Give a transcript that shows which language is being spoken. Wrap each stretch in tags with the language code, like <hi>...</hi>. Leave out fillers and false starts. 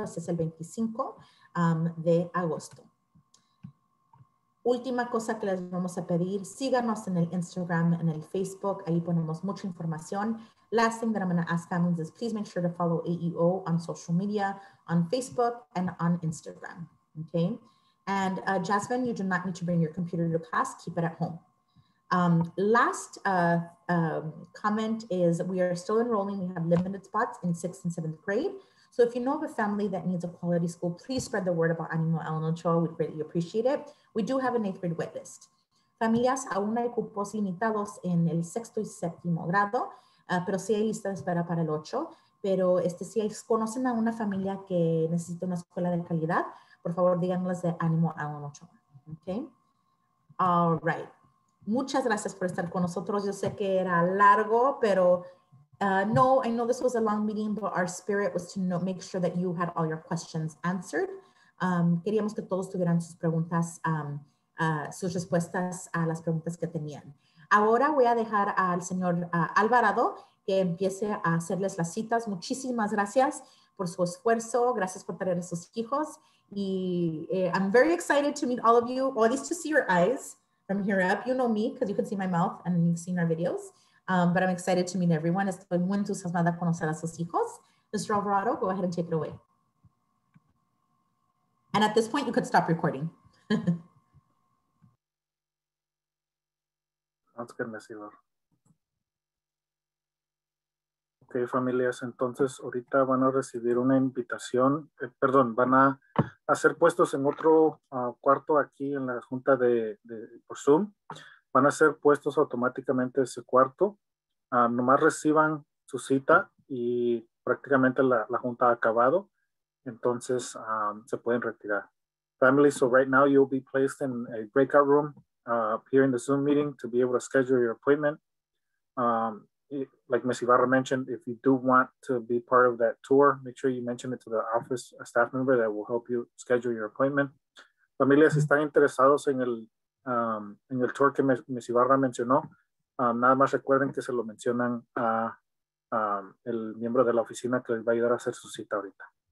<es>Ese es el 25 de agosto. Última cosa que les vamos a pedir, síganos en el Instagram, en el Facebook, ahí ponemos mucha información.</es> <en>Last thing that I'm going to ask families is please make sure to follow AEO on social media, on Facebook, and on Instagram, okay? And Jasmine, you do not need to bring your computer to class, keep it at home. Last comment is we are still enrolling, we have limited spots in sixth and seventh grade. So if you know of a family that needs a quality school, please spread the word about Ánimo Ellen Ochoa. We'd greatly appreciate it. We do have an eighth grade waitlist.</en> <es>Familias aún hay cupos limitados en el sexto y séptimo grado, pero sí hay lista de espera para el ocho. Pero si conocen a una familia que necesita una escuela de calidad, por favor, díganles de Ánimo Ellen Ochoa.</es> <en>Okay? All right.</en> <es>Muchas gracias por estar con nosotros. Yo sé que era largo, pero...</es> <en>I know this was a long meeting, but our spirit was to know, make sure that you had all your questions answered.</en> <es>Queríamos que todos tuvieran sus preguntas, sus respuestas a las preguntas que tenían. Ahora voy a dejar al señor Alvarado que empiece a hacerles las citas. Muchísimas gracias por su esfuerzo. Gracias por traer a sus hijos.</es> <en>Y I'm very excited to meet all of you, or at least to see your eyes from here up. You know me because you can see my mouth and you've seen our videos. But I'm excited to meet everyone.</en> <es>Estoy muy entusiasmada a conocer a sus hijos.</es> <en>Mr. Alvarado, go ahead and take it away. And at this point, you could stop recording. That's good, Ms. Ivar.</en> <es>Okay, familias, entonces ahorita van a recibir una invitación, perdón, van a hacer puestos en otro cuarto aquí en la junta de por Zoom. Van a ser puestos automáticamente ese cuarto. Nomás reciban su cita y prácticamente la junta ha acabado. Entonces, se pueden retirar.</es> <en>Family, so right now you'll be placed in a breakout room here in the Zoom meeting to be able to schedule your appointment. Like Ms. Ibarra mentioned, if you do want to be part of that tour, make sure you mention it to the office staff member that will help you schedule your appointment.</en> <es>Familias, están interesados en el tour que Ms. Ibarra mencionó, nada más recuerden que se lo mencionan a el miembro de la oficina que les va a ayudar a hacer su cita ahorita.</es>